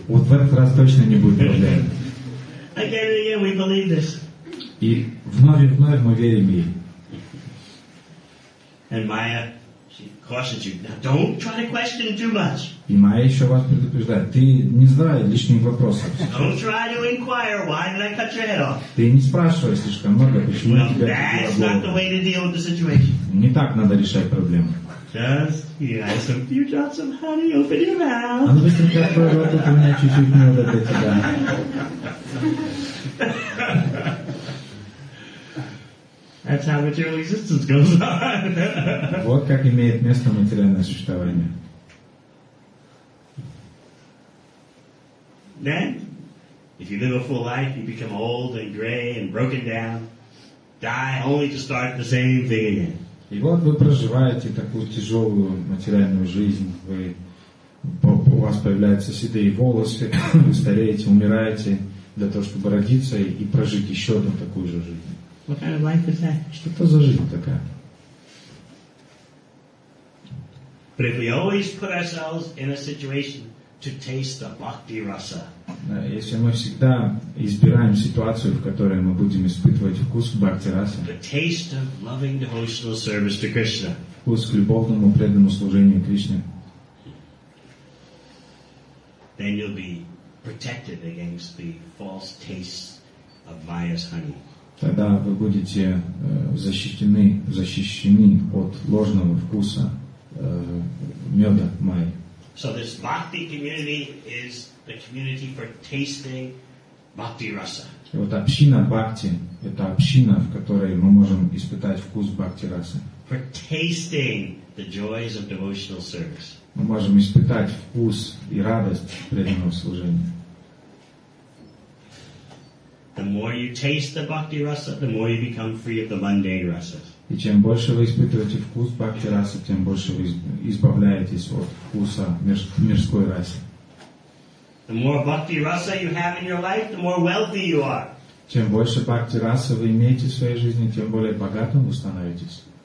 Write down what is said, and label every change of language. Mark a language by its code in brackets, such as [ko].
[ru] Вот в этот раз точно не будет проблем. [en] Again and again we believe this. [ru] И вновь и вновь мы верим ей. [en] And Maya, she cautions you. Now don't try to question too much. [ru] И Майя еще вас предупреждает. Ты не задавай лишних вопросов. [en] Don't try to inquire why did I cut your head off. [ru] Ты не спрашивай слишком много, почему [en] well, [ru] я тебя убила. [en] That's not the way to deal with the situation. [ru] Не так надо решать проблему. [en] Just give us a few drops of honey, open your mouth. [ru] А ну быстренько открой рот, у меня чуть-чуть мёда для тебя. [en] That's how material existence goes on. [ru] Вот как имеет место материальное существование. [en] Then, if you live a full life, you become old and gray and broken down, die only to start the same thing again. [ru] И вот вы проживаете такую тяжелую материальную жизнь, вы, у вас появляются седые волосы, вы стареете, умираете для того, чтобы родиться и прожить еще одну такую же жизнь. [en] What kind of life is that? [ru] Что это за жизнь такая? [en] But if we always put ourselves in a situation to taste the bhakti rasa. [ru] Если мы всегда избираем ситуацию, в которой мы будем испытывать вкус бхакти раса, [en] the taste of loving devotional service to Krishna, [ru] вкус к любовному преданному служению Кришне, [en] then you'll be protected against the false tastes of Maya's honey. [ru] Тогда вы будете защищены от ложного вкуса меда Майи. [en] So this bhakti community is the community for tasting bhakti rasa. [ru] И вот община бхакти – это община, в которой мы можем испытать вкус бхакти раса. [en] For tasting the joys of devotional service. [ru] Мы можем испытать вкус и радость преданного служения. [en] The more you taste the bhakti rasa, the more you become free of the mundane rasa. [ru] И чем больше вы испытываете вкус бхакти расы, тем больше вы избавляетесь от вкуса мирской расы. [en] The more bhakti rasa you have in your life, the more wealthy you are. [ru] Чем больше бхакти расы вы имеете в своей жизни, тем более богатым вы становитесь.